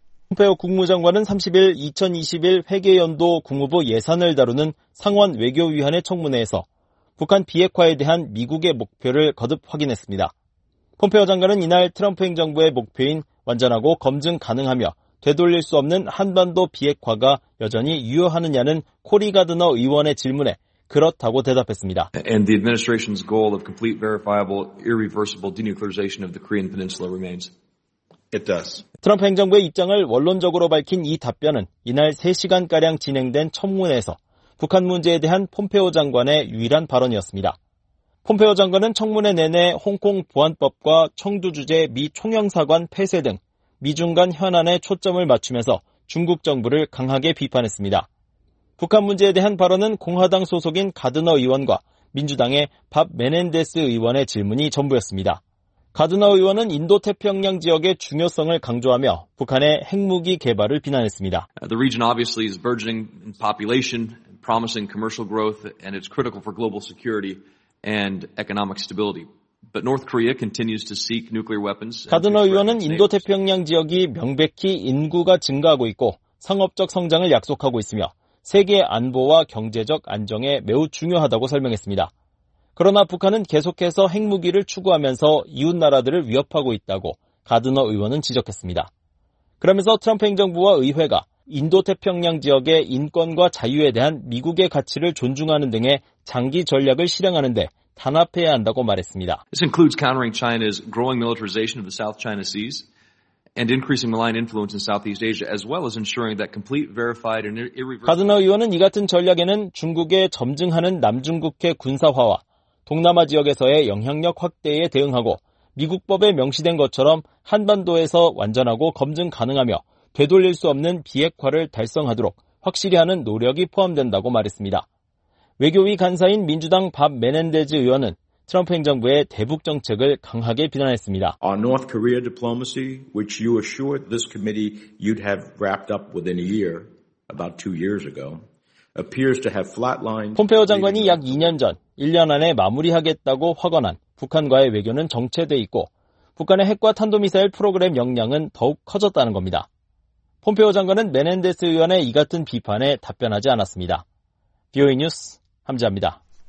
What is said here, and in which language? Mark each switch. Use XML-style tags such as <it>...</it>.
<ko>폼페오 국무장관은 30일 2021 회계연도 국무부 예산을 다루는 상원 외교위원회 청문회에서 북한 비핵화에 대한 미국의 목표를 거듭 확인했습니다. 폼페오 장관은 이날 트럼프 행정부의 목표인 완전하고 검증 가능하며 되돌릴 수 없는 한반도 비핵화가 여전히 유효하느냐는 코리 가드너 의원의 질문에 그렇다고 대답했습니다.</ko> <en>And the administration's goal of complete verifiable irreversible denuclearization of the Korean Peninsula remains. It does.</en> <ko>트럼프 행정부의 입장을 원론적으로 밝힌 이 답변은 이날 3시간가량 진행된 청문회에서 북한 문제에 대한 폼페오 장관의 유일한 발언이었습니다. 폼페오 장관은 청문회 내내 홍콩 보안법과 청두 주재 미 총영사관 폐쇄 등 미중 간 현안에 초점을 맞추면서 중국 정부를 강하게 비판했습니다. 북한 문제에 대한 발언은 공화당 소속인 가드너 의원과 민주당의 밥 메넨데스 의원의 질문이 전부였습니다. 가드너 의원은 인도태평양 지역의 중요성을 강조하며 북한의 핵무기 개발을 비난했습니다.</ko> <en>The region obviously is burgeoning in population, promising commercial growth, and it's critical for global security and economic stability. But North Korea continues to seek nuclear weapons.</en> <ko>가드너 의원은 인도태평양 지역이 명백히 인구가 증가하고 있고 상업적 성장을 약속하고 있으며 세계 안보와 경제적 안정에 매우 중요하다고 설명했습니다. 그러나 북한은 계속해서 핵무기를 추구하면서 이웃나라들을 위협하고 있다고 가드너 의원은 지적했습니다. 그러면서 트럼프 행정부와 의회가 인도태평양 지역의 인권과 자유에 대한 미국의 가치를 존중하는 등의 장기 전략을 실행하는 데 단합해야 한다고 말했습니다.</ko> <en>This includes countering China's growing militarization of the South China Seas and increasing malign influence in Southeast Asia as well as ensuring that complete verified and irreversible.</en> <ko>가드너 의원은 이 같은 전략에는 중국의 점증하는 남중국해 군사화와 동남아 지역에서의 영향력 확대에 대응하고 미국법에 명시된 것처럼 한반도에서 완전하고 검증 가능하며 되돌릴 수 없는 비핵화를 달성하도록 확실히 하는 노력이 포함된다고 말했습니다. 외교위 간사인 민주당 밥 메넨데즈 의원은 트럼프 행정부의 대북 정책을 강하게 비난했습니다.</ko> <en>Our North Korea diplomacy, which you assured this committee you'd have wrapped up within a year, about two years ago, appears to have flatlined.</en> <ko>폼페오 장관이 약 2년 전, 1년 안에 마무리하겠다고 확언한 북한과의 외교는 정체돼 있고 북한의 핵과 탄도미사일 프로그램 역량은 더욱 커졌다는 겁니다. 폼페오 장관은 메넨데스 의원의 이 같은 비판에 답변하지 않았습니다. VOA 뉴스 함지아입니다.</ko>